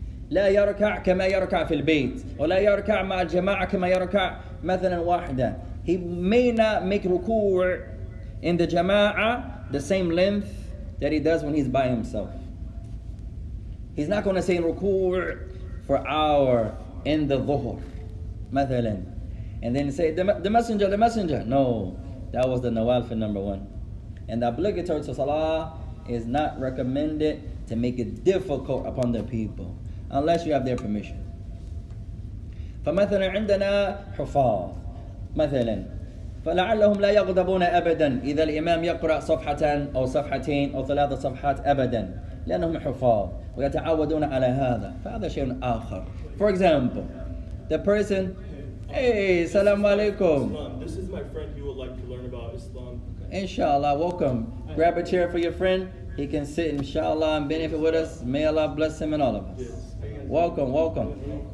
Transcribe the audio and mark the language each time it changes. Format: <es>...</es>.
<ar>لا يركع كما يركع في البيت ولا يركع مع الجماعة كما يركع مثلا واحدة.</ar> <en>He may not make ruku in the jama'ah the same length that he does when he's by himself. He's not going to say ruku for hour in the dhuhr مثلا and then say the messenger. No, that was the nawafil number one. And the obligatory to salah is not recommended to make it difficult upon the people unless you have their permission.</en> <ar>فمثلا عندنا حفاظ مثلا فلعلهم لا يغضبون أبدا إذا الإمام يقرأ صفحة أو صفحتين أو ثلاثة صفحات أبدا لأنهم حفاظ ويتعودون على هذا فهذا شيء آخر.</ar> <en>For example, the person, hey, السلام عليكم. This is my friend who would like to learn about Islam. Okay. Inshallah, welcome. Grab a chair for your friend. He can sit, inshallah, and benefit with us. May Allah bless him and all of us. Yes. Welcome, welcome.</en>